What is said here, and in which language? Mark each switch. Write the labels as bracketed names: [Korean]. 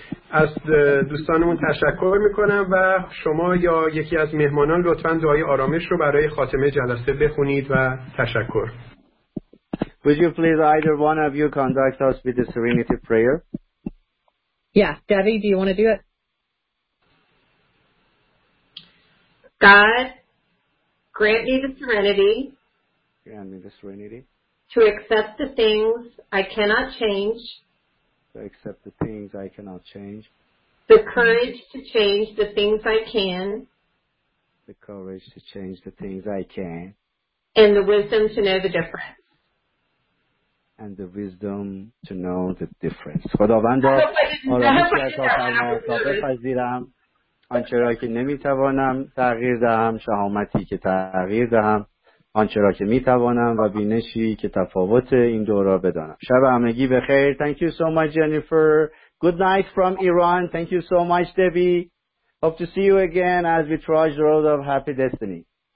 [Persian] از دوستانمون تشکر میکنم و شما یا یکی از مهمانان لطفاً دعای آرامش رو برای خاتمه جلسه بخونید و تشکر. [English] Would you please either one of you conduct us with the serenity prayer? Yeah, Debbie, do you want to do it? God, grant me the serenity. Grant me the serenity. To accept the things I cannot change. To accept the things I cannot change. The courage to change the things I can. The courage to change the things I can. And the wisdom to know the difference. And the wisdom to know the difference. [Persian] خداوند آرامش را فرمان تا بپذیرم آنچه را که نمیتوانم تغییر دهم، شهامتی که تغییر دهم آنچه را که میتوانم و بینشی که تفاوت این دو را بدانم. شب همگی بخیر. [English] Thank you so much Jennifer. Good night from Iran. Thank you so much, Debbie. Hope to see you again as we trudge the road of happy destiny.